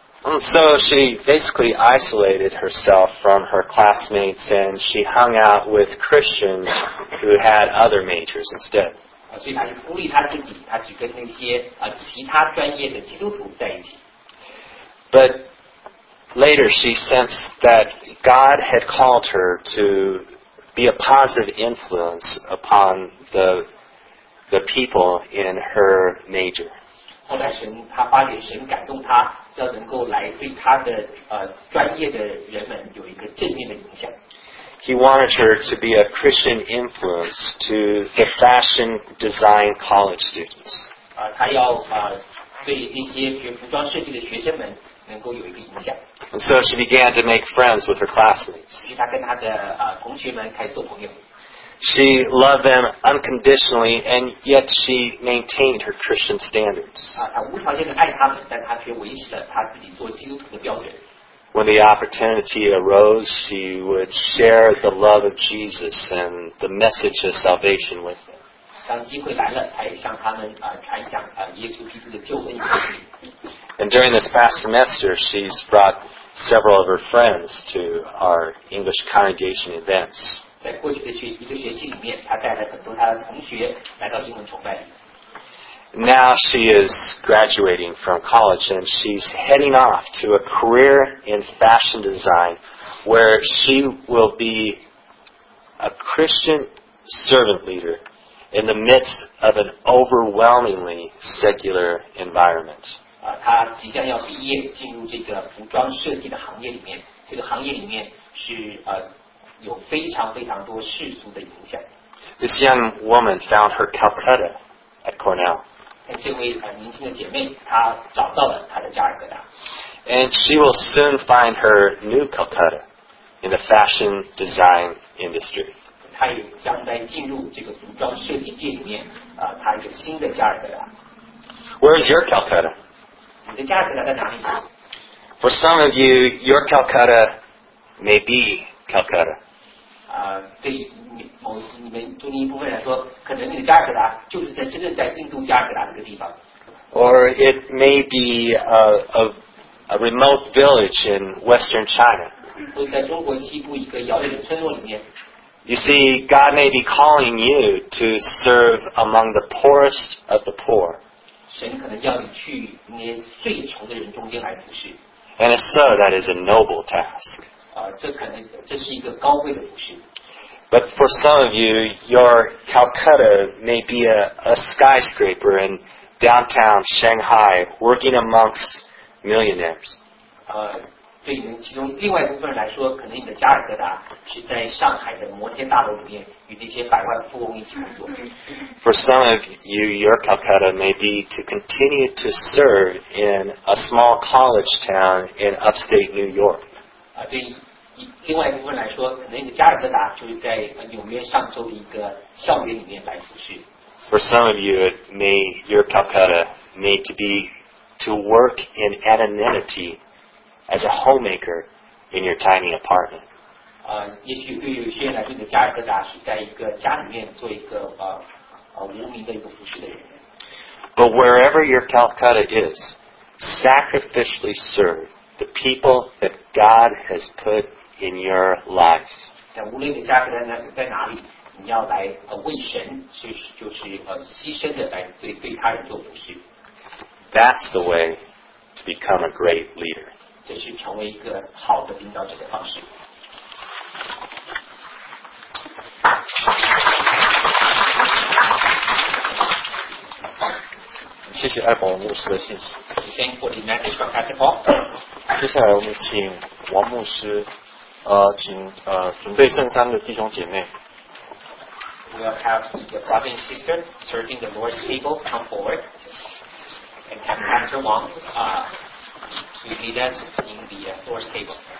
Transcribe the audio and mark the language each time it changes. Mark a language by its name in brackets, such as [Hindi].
[English] So she basically isolated herself from her classmates and she hung out with Christians who had other majors instead. [Chinese] 所以她就孤立她自己，她只跟那些其他专业的基督徒在一起。 [English] But later she sensed that God had called her to be a positive influence upon the people in her major. [Chinese] 后来她发觉神感动她，要能够来对她的专业的人们有一个正面的影响。 [English] He wanted her to be a Christian influence to the fashion design college students. [Chinese] 他要对那些学服装设计的学生们能够有一个影响。 [English] And so she began to make friends with her classmates. [Chinese] 所以她跟她的同学们开始做朋友。 [English] She loved them unconditionally, and yet she maintained her Christian standards. [Chinese] 她无条件的爱他们，但她却维持了她自己做基督徒的标准。 [English] When the opportunity arose, she would share the love of Jesus and the message of salvation with them. [Chinese] 当机会来了，她也向他们传讲耶稣基督的救恩。 [English] And during this past semester, she's brought several of her friends to our English congregation events. [Chinese] 在过去的一个学期里面，她带了很多她的同学来到英文崇拜里。 [English] Now she is graduating from college and she's heading off to a career in fashion design where she will be a Christian servant leader in the midst of an overwhelmingly secular environment. [Chinese] 她即将要毕业进入这个服装设计的行业里面，这个行业里面是有非常非常多世俗的影响。 [English] This young woman found her Calcutta at Cornell. [Chinese] 这位年轻的姐妹，她找到了她的加尔各答。 [English] And she will soon find her new Calcutta in the fashion design industry. [Chinese] 她也将在进入这个服装设计界里面，她一个新的加尔各答。 [English] Where is your Calcutta? [Chinese] 你的加尔各答在哪里？ [English] For some of you, your Calcutta may be Calcutta. [Chinese] 对。你们中间一部分来说，可能你的加尔各答就是在真正在印度加尔各答这个地方。 [English] Or it may be a remote village in western China. [Chinese] 或者在中国西部一个遥远的村落里面。 [English] You see, God may be calling you to serve among the poorest of the poor. [Chinese] 神可能要你去那些最穷的人中间来服侍。 [English] And if so, that is a noble task. [Chinese] 这可能这是一个高贵的服侍。 [English] But for some of you, your Calcutta may be a skyscraper in downtown Shanghai, working amongst millionaires. [Chinese] 对你们其中另外一部分人来说，可能你的加尔各答是在上海的摩天大楼里面与那些百万富翁一起工作。 [English] For some of you, your Calcutta may be to continue to serve in a small college town in upstate New York. [Chinese] 对。另外一部分来说，可能你的加尔各答就是在纽约上周的一个校园里面来服侍。 [English] For some of you, it may your Calcutta may to be to work in anonymity as a homemaker in your tiny apartment. [Chinese] 也许对有些人来说，你的加尔各答是在一个家里面做一个无名的一个服侍的人。 [English] But wherever your Calcutta is, sacrificially serve the people that God has put. In your life. [Chinese] 但无论你的家人在哪里，你要来为神，就是牺牲的来对他人做服侍。 [English] That's the way to become a great leader. [Chinese] 这是成为一个好的领导者的方式。谢谢艾宝牧师的信息。 [English] Thank you for the message from Pastor Paul. [Chinese] 接下来我们请王牧师。请准备圣餐的弟兄姐妹。 [English] We'll have the brother and sister serving the Lord's table come forward and have Pastor Wong to lead us in the Lord's table.